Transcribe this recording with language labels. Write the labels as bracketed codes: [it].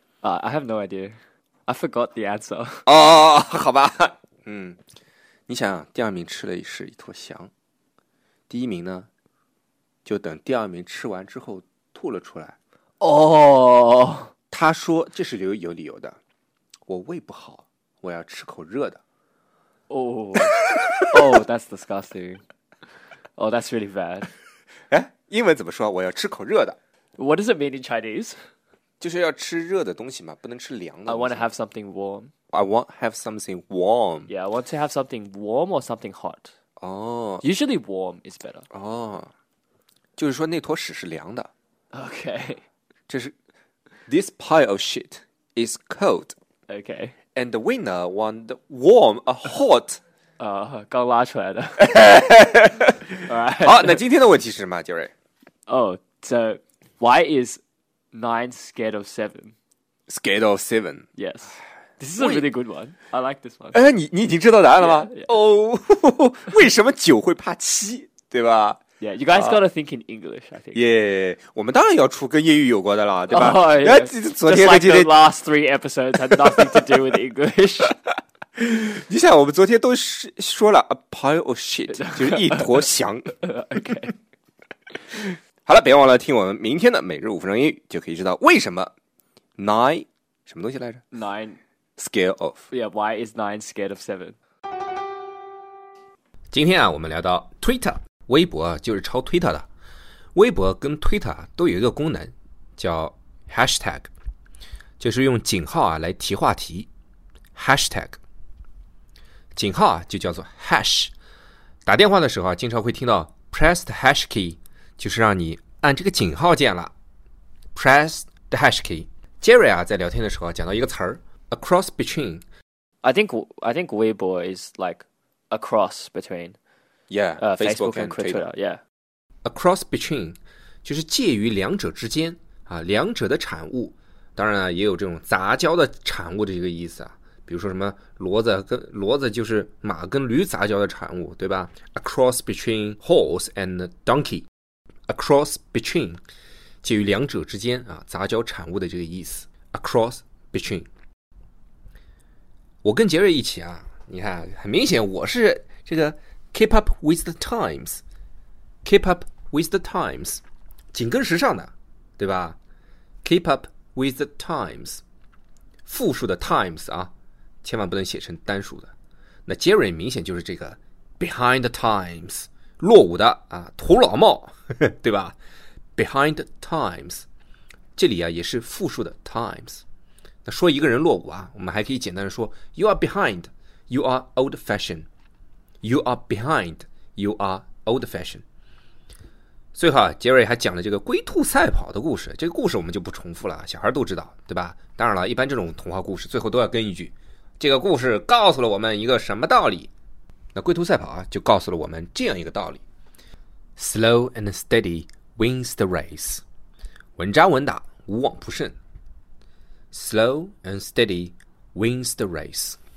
[en] ？I have no idea. I forgot the answer. [zh] 哦，好吧，嗯，你想，第二名吃了是一坨翔。第一名呢，就等第二名吃完之后吐了出来。哦，他说这是有理由的，我胃不好，我要吃口热的。 [en] 哦，哦 ，that's disgusting. Oh, that's really bad. [zh] 哎，英文怎么说？我要吃口热的。 [en] What does it mean in Chinese? [zh] 就是要吃热的东西嘛，不能吃凉的。 [en] I want to have something warm. I want to have something warm. Yeah, I want to have something warm or something hot. Oh, usually warm is better. [zh] Oh, 就是说那坨屎是凉的。 [en] Okay. 这是 This pile of shit is cold. Okay. And the winner won the warm, a hot. [zh] 刚拉出来的。好，那今天的问题是什么，杰瑞？ [en] Oh, so why is 9 scared of 7? Scared of 7? Yes. This is a really good one. I like this one. [zh] 哎，你已经知道答案了吗？哦、 [en] yeah, yeah. [zh] oh, ，为什么九会怕七，对吧 [en] ？Yeah, you guys gotta think in English. I think. [zh] Yeah, 我们当然要出跟英语有关的啦，对吧？ [en] 哎、oh, yeah. ， [zh] 昨天和今天 [en] Just、like、the last three episodes had nothing to do with English. [zh] 你想，我们昨天都说了 [en] a pile of shit， [zh] 就是一坨翔。 [en] okay. [zh] 好了，别忘了听我们明天的每日五分钟英语，就可以知道为什么 nine 什么东西来着 [en] ？Nine. Scale of. Yeah, why is 9 scared of 7? [zh] 今天啊我们聊到 Twitter, 微博就是抄 Twitter 的。微博跟 Twitter 都有一个功能叫 Hashtag, 就是用井号啊来提话题。 [en] Hashtag。 [zh] 井号啊就叫做 Hash。打电话的时候啊经常会听到 [en] Press the Hash Key, [zh] 就是让你按这个井号键了。 [en] Press the Hash Key。 [zh] Jerry 啊在聊天的时候讲到一个词儿。 [en] Across between, I think Weibo is like across between, yeah, Facebook and Twitter, yeah. [zh] Across between, 就是介于两者之间啊，两者的产物。当然了，也有这种杂交的产物的这个意思啊。比如说什么骡子就是马跟驴杂交的产物，对吧 ？ [en] Across between horse and donkey, across between, [zh] 介于两者之间啊，杂交产物的这个意思。 [en] Across between. [zh] 我跟杰瑞一起啊，你看很明显我是这个 [en] keep up with the times [zh] keep up with the times 紧跟时尚的对吧 keep up with the times 复数的 times 啊，千万不能写成单数的，那杰瑞明显就是这个 [en] behind the times [zh] 落伍的啊，土老帽对吧 behind the times 这里啊也是复数的 times 他说一个人落伍啊，我们还可以简单的说 [en] You are behind, you are old fashioned. You are behind, you are old fashioned. [zh] 最后杰瑞还讲了这个龟兔赛跑的故事，这个故事我们就不重复了，小孩都知道对吧。当然了，一般这种童话故事最后都要跟一句，这个故事告诉了我们一个什么道理。那龟兔赛跑啊，就告诉了我们这样一个道理， [en] Slow and steady wins the race， [zh] 稳扎稳打无往不胜， Slow and steady wins the race。